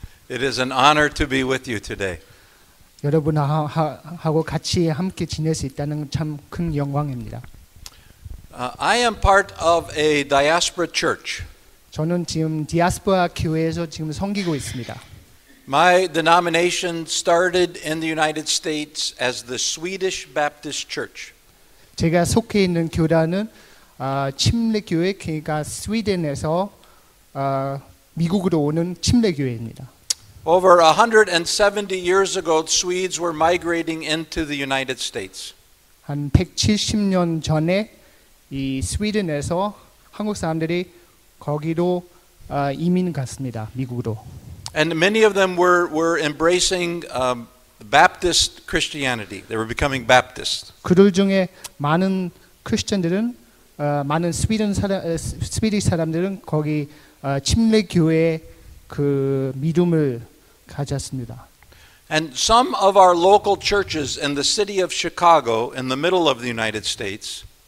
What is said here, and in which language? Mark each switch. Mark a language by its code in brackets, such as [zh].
[en] It is an honor to be with you today. [ko] 여러분하고 같이 함께 지낼 수 있다는 참 큰 영광입니다. [en] I am part of a diaspora church. [ko] 저는 지금 디아스포라 교회에서 지금 섬기고 있습니다. [en] My denomination started in the United States as the Swedish Baptist Church. [ko] 제가 속해 있는 교단은 침례교회, 그러니까 스웨덴에서 미국으로 오는 침례교회입니다. [en] Over 170 years ago, Swedes were migrating into the United States. [ko] 한 170년 전에 이 스웨덴에서 한국 사람들이 거기로 이민 갔습니다, 미국으로. [en] And many of them were embracing Baptist Christianity. They were becoming Baptist. [ko] 그들 중에 많은 크리스천들은 많은 스웨덴 사람 스웨덴 사람들은 거기 침례교회 그 믿음을 가졌습니다. [en] And some of our local churches in the city of Chicago in the middle of the United States.